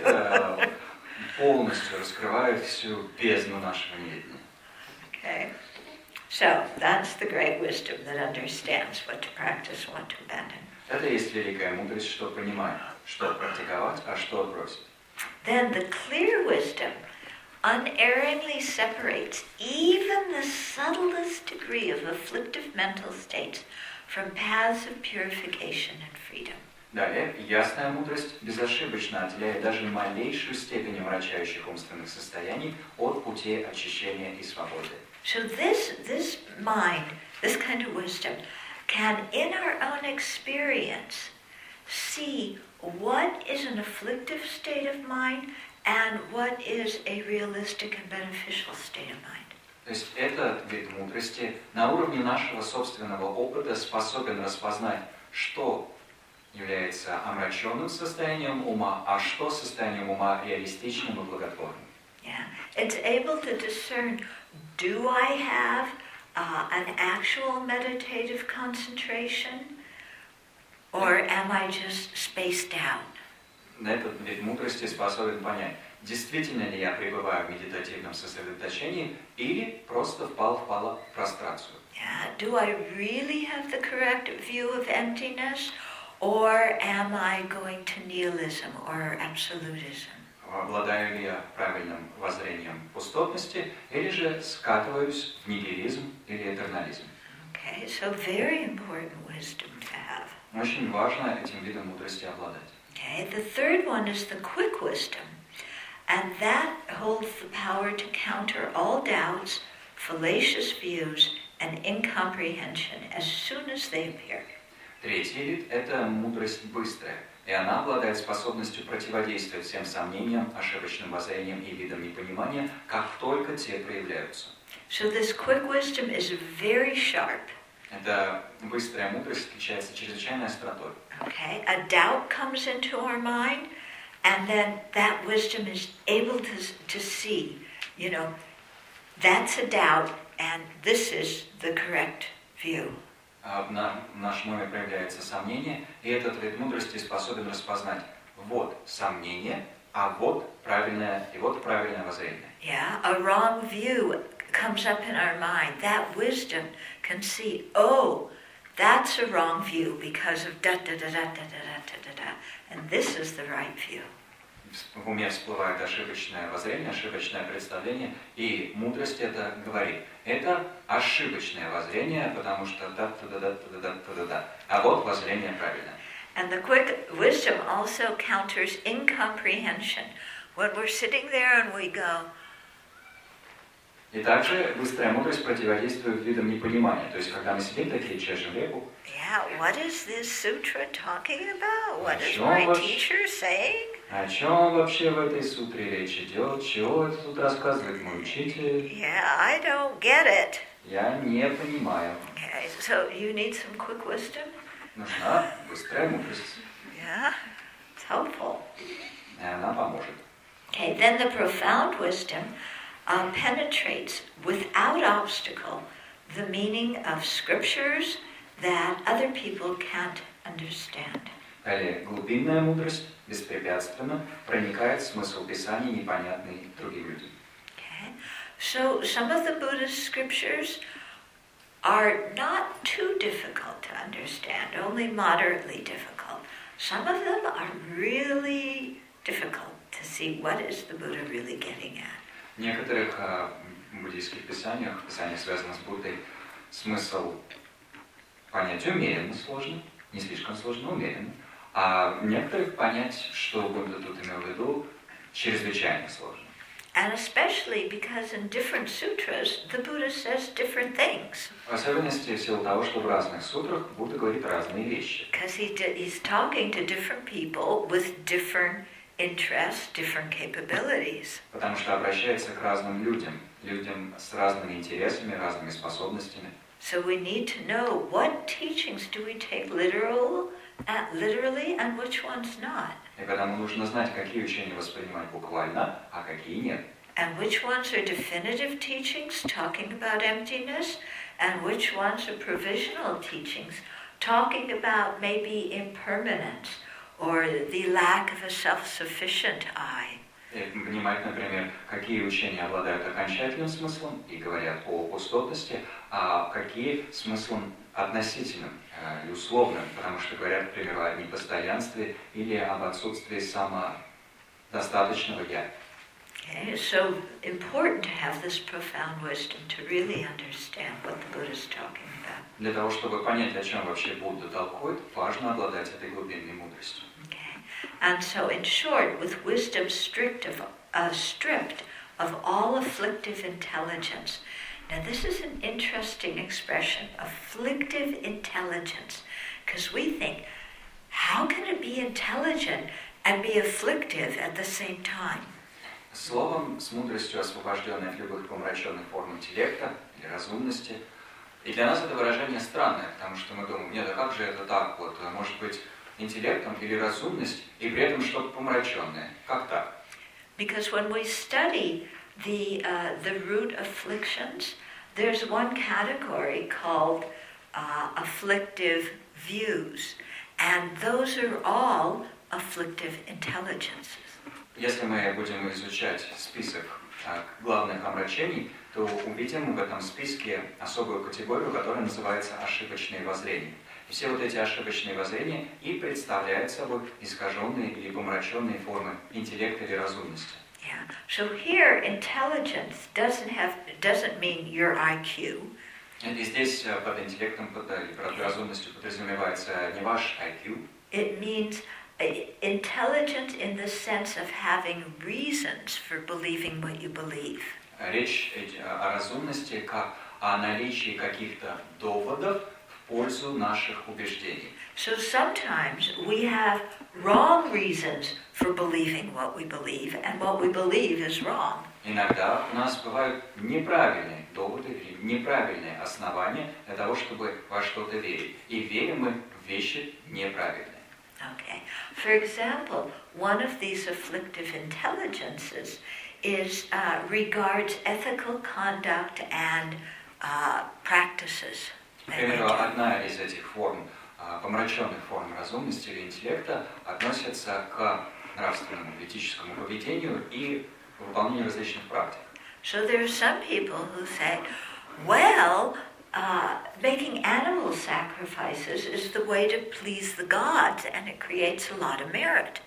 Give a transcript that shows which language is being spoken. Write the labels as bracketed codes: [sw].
[ru] Это полностью раскрывает всю бездну нашего неведения. [en] Okay, so that's the great wisdom that understands what to practice, what to abandon. [ru] Это есть великая мудрость, что понимает, что практиковать, а что отбросить. [en] Then the clear wisdom unerringly separates even the subtlest degree of afflictive mental states from paths of purification and freedom. [ru] Далее, ясная мудрость безошибочно отделяет даже малейшую степень омрачающих умственных состояний от пути очищения и свободы. [en] So this mind, this kind of wisdom, can in our own experience see what is an afflictive state of mind and what is a realistic and beneficial state of mind. [ru] То есть этот вид мудрости на уровне нашего собственного опыта способен распознать, что является омраченным состоянием ума, а что состоянием ума реалистичным и благотворным. [en] Yeah. It's able to discern, do I have an actual meditative concentration, or am I just spaced out? [ru] На этот вид мудрости способен понять, действительно ли я пребываю в медитативном сосредоточении или просто впал в прострацию. [en] Do I really have the correct view of emptiness, or am I going to nihilism or absolutism? [ru] Обладаю ли я правильным воззрением пустотности, или же скатываюсь в нигилизм или этернализм? [en] Okay, so very important wisdom to have. [ru] Очень важно этим видом мудрости обладать. [en] Okay, the third one is the quick wisdom, and that holds the power to counter all doubts, fallacious views, and incomprehension as soon as they appear. [ru] Третий вид – это мудрость быстрая, и она обладает способностью противодействовать всем сомнениям, ошибочным воззрениям и видам непонимания, как только те проявляются. [en] So this quick wisdom is very sharp. [ru] Эта быстрая мудрость отличается чрезвычайной остротой. [en] Okay, a doubt comes into our mind, and then that wisdom is able to see, you know, that's a doubt, and this is the correct view. [ru] В нашем уме проявляется сомнение, и этот вид мудрости способен распознать, вот сомнение, а вот правильное, и вот правильное воззрение. [en] Yeah, a wrong view comes up in our mind. That wisdom can see, oh, that's a wrong view because of da-da-da-da-da-da-da-da-da. And this is the right view. [ru] В уме всплывает ошибочное воззрение, ошибочное представление, и мудрость это говорит. Это ошибочное воззрение, потому что да-да-да-да-да-да-да-да. А вот воззрение правильное. [en] And the quick wisdom also counters incomprehension. When we're sitting there and we go... [ru] И также быстрая мудрость противодействует видам непонимания. То есть, когда мы сидим такие, чешем репу. [en] Yeah, what is this sutra talking about? What is my teacher saying? [ru] О чем вообще в этой сутре речь идет? Чего это тут рассказывает мой учитель? [en] Yeah, I don't get it. [ru] Я не понимаю. [en] Okay, so you need some quick wisdom? [ru] Нужна быстрая мудрость. [en] Yeah, it's helpful. [ru] И она поможет. [en] Okay, then the profound wisdom penetrates without obstacle the meaning of scriptures that other people can't understand. [ru] Далее, глубинная мудрость беспрепятственно проникает в смысл писаний, непонятный другим людям. [en] Okay. So some of the Buddhist scriptures are not too difficult to understand, only moderately difficult. Some of them are really difficult to see what is the Buddha really getting at. [ru] В некоторых буддийских писаниях, писаниях, связанных с Буддой, смысл понять умеренно сложно, не слишком сложно, умеренно. А в некоторых понять, что Будда тут имел в виду, чрезвычайно сложно. [en] And especially because in different sutras the Buddha says different things. [ru] В особенности в силу того, что в разных сутрах Будда говорит разные вещи. [en] Because he's talking to different people with different interests, different capabilities. [ru] Потому что обращается к разным людям, людям с разными интересами, разными способностями. [en] So we need to know what teachings do we take literally and which ones not. [ru] И поэтому нужно знать, какие учения воспринимать буквально, а какие нет. [en] And which ones are definitive teachings talking about emptiness, and which ones are provisional teachings talking about maybe impermanence. Or the lack of a self-sufficient I. [ru] Понимать, например, какие учения обладают окончательным смыслом и говорят о пустотности, а какие смыслом относительным и условным, потому что говорят, к примеру, о непостоянстве или об отсутствии самодостаточного я. [en] Okay, so important to have this profound wisdom to really understand what the Buddha is talking about. [ru] Для того чтобы понять, о чем вообще Будда толкует, важно обладать этой глубинной мудростью. [en] Okay, and so in short, with wisdom stripped of all afflictive intelligence. Now this is an interesting expression, afflictive intelligence, because we think, how can it be intelligent and be afflictive at the same time? [ru] Словом, с мудростью, освобожденной от любых помраченных форм интеллекта или разумности. И для нас это выражение странное, потому что мы думаем, нет, а как же это так? Вот, может быть, интеллектом или разумность, и при этом что-то помраченное. Как так? [en] Because when we study the root afflictions, There's one category called afflictive views, and those are all afflictive intelligences. [ru] Если мы будем изучать список главных омрачений, то увидим в этом списке особую категорию, которая называется ошибочные воззрения. И все вот эти ошибочные воззрения и представляют собой искаженные или помраченные формы интеллекта или разумности. [en] Yeah. So here intelligence doesn't mean your IQ. [ru] И здесь под интеллектом, под разумностью подразумевается не ваш IQ. [en] It means intelligent in the sense of having reasons for believing what you believe. [ru] Речь о разумности как о наличии каких-то доводов в пользу наших убеждений. [en] So sometimes we have wrong reasons for believing what we believe, and what we believe is wrong. [ru] Иногда у нас бывают неправильные доводы или неправильные основания для того, чтобы во что-то верить. И верим мы в вещи неправильные. [en] Okay. For example, one of these afflictive intelligences is regards ethical conduct and practices. [ru] Например, одна из этих форм, помраченных форм разумности или интеллекта, относится к нравственному, этическому поведению и выполнению различных практик. [en] So there are some people who say, well, making animal sacrifices is the way to please the gods, and it creates a lot of merit.